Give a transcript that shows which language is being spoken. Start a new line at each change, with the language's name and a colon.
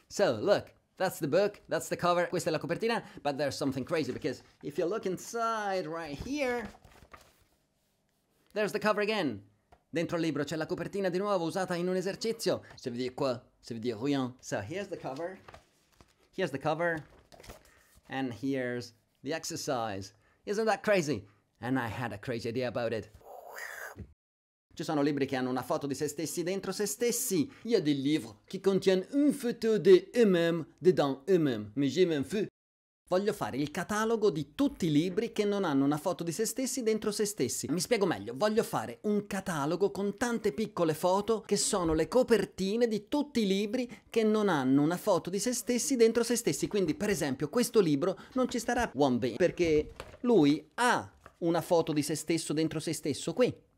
English: So, look, that's the book, that's the cover,
Italian: questa è la copertina,
English: but there's something crazy because if you look inside right here, there's the cover again.
Italian: Dentro il libro c'è la copertina di nuovo usata in un esercizio.
French: Ça veut dire quoi? Ça veut dire rien.
English: So, here's the cover. Here's the cover. And here's the exercise. Isn't that crazy? And I had a crazy idea about it.
Italian: Ci sono libri che hanno una foto di se stessi dentro se stessi.
French: Il y a des livres qui contiennent une photo de eux-mêmes dedans eux-mêmes. Mais j'ai même fait.
Italian: Voglio fare il catalogo di tutti i libri che non hanno una foto di se stessi dentro se stessi. Mi spiego meglio, voglio fare un catalogo con tante piccole foto che sono le copertine di tutti i libri che non hanno una foto di se stessi dentro se stessi. Quindi, per esempio, questo libro non ci starà
English: one day
Italian: perché lui ha una foto di se stesso dentro se stesso qui.